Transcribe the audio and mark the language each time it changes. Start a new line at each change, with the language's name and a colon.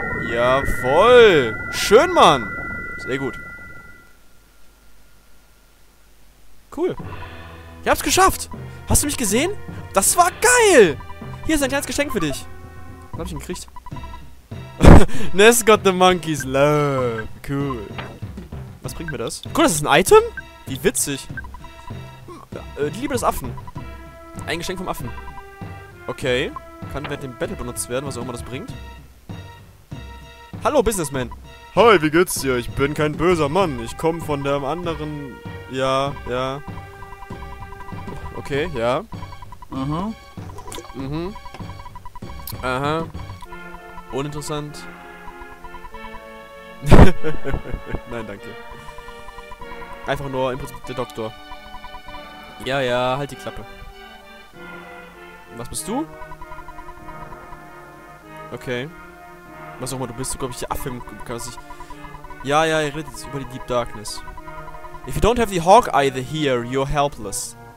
German: Jawohl. Schön, Mann. Sehr gut. Cool. Ich hab's geschafft. Hast du mich gesehen? Das war geil. Hier ist ein kleines Geschenk für dich. Was hab ich denn gekriegt?
English: Ness got the monkeys love.
German: Cool. Was bringt mir das? Cool, das ist ein Item? Wie witzig. Die Liebe des Affen. Ein Geschenk vom Affen. Okay. Kann während dem Battle benutzt werden, was auch immer das bringt. Hallo, Businessman. Hi, wie geht's dir? Ich bin kein böser Mann. Ich komme von der anderen... Ja, ja. Okay, ja. Mhm. Aha. Uninteressant. Nein, danke. Einfach nur im Prinzip der Doktor. Ja, ja, halt die Klappe. Was bist du? Okay. Was auch immer du bist, du glaube ich der Affe im Kurs. Ja, ja, ihr redet jetzt über die Deep Darkness.
English: If you don't have the hawk eye here, you're helpless.